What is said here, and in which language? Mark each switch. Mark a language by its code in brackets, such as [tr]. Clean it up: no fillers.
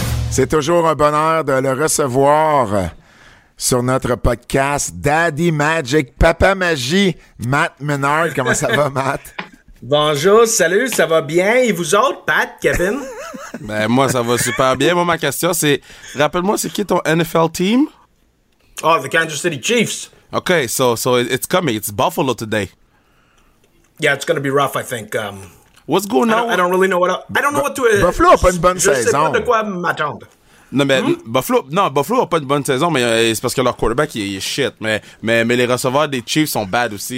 [fr] C'est toujours un bonheur de le recevoir sur notre podcast Daddy Magic, Papa Magie, Matt Menard. Comment ça va, Matt? Bonjour, salut, ça va bien? Et vous autres, Pat, Kevin? Ben moi, ça va super bien. Moi, ma question, c'est, rappelle-moi, c'est qui ton NFL team? [en] Oh, the Kansas City Chiefs. Okay, so it's coming. It's Buffalo today. Yeah, it's gonna be rough, I think. What's going on? I don't really know what else. I don't know what to... [fr] Buffalo a pas une bonne saison. Je sais pas de quoi m'attendre. Non, mais Buffalo n'a pas une bonne saison, mais c'est parce que leur quarterback, il est shit. Mais les receveurs des Chiefs sont bad aussi.